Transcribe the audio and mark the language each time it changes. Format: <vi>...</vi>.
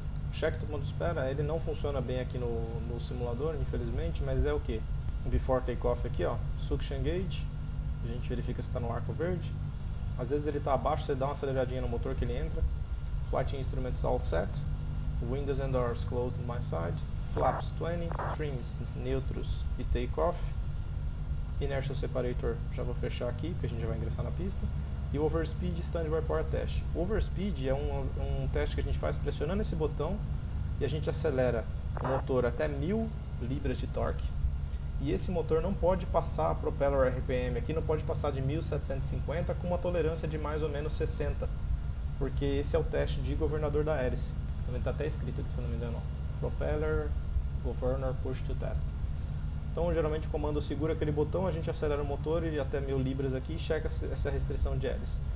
<pt>O cheque do ponto de espera, ele não funciona bem aqui no simulador, infelizmente, mas é o quê?</pt> <en>Before takeoff</en> <pt>aqui, ó, suction gauge, a gente verifica se está no arco verde. Às vezes ele está abaixo, você dá uma aceleradinha no motor que ele entra.</pt> <en>Flight instruments all set. Windows and doors closed on my side. Flaps 20,</en> <pt>trims neutros e</pt> <en>takeoff.</en> <pt>Inertial separator já vou fechar aqui, porque a gente já vai ingressar na pista. E o</pt> <en>overspeed standby power test.</en> <pt>O overspeed é um teste que a gente faz pressionando esse botão e a gente acelera o motor até 1000 libras de torque. E esse motor não pode passar propeller RPM aqui, não pode passar de 1750 com uma tolerância de mais ou menos 60, porque esse é o teste de governador da hélice. Também está até escrito aqui, se não me engano.</pt> <en>Propeller governor push to test.</en> <pt>Então, geralmente, o comando segura aquele botão, a gente acelera o motor e até 1000 libras aqui e checa essa restrição de hélice.</pt>